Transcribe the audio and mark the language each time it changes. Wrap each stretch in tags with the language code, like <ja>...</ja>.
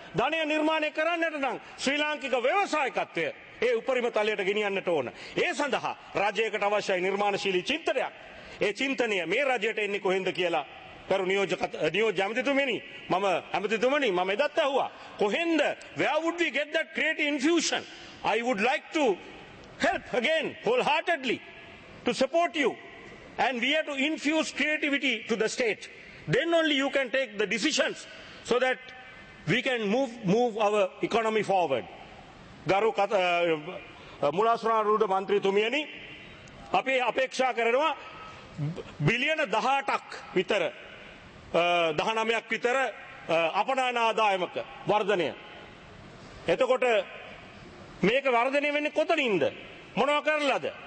<si>ධනය නිර්මාණය කරන්නට නම් ශ්‍රී ලාංකික ව්‍යවසායකත්වය ඒ උපරිම තලයට ගෙනියන්නට ඕන. ඒ සඳහා රජයකට අවශ්‍යයි නිර්මාණශීලී චින්තනයක්. ඒ චින්තනය මේ රජයට එන්නේ කොහෙන්ද කියලා කරු නියෝජ ඇමතිතුමනි, මම ඇමතිතුමනි, මම එදත් ඇහුවා කොහෙන්ද</si> <en>where would we get that creative infusion? I would like to help again wholeheartedly to support you and we have to infuse creativity to the state, then only you can take the decisions so that we can move our economy forward.</en> <si>ගරු මුලාසුරා රුඩ මන්ත්‍රීතුමියනි, අපි අපේක්ෂා කරනවා බිලියන 18ක් විතර 19ක් විතර අපනයන ආදායමක වර්ධනය. එතකොට මේක වර්ධනය වෙන්නේ කොතනින්ද? මොනව කරලාද?</si>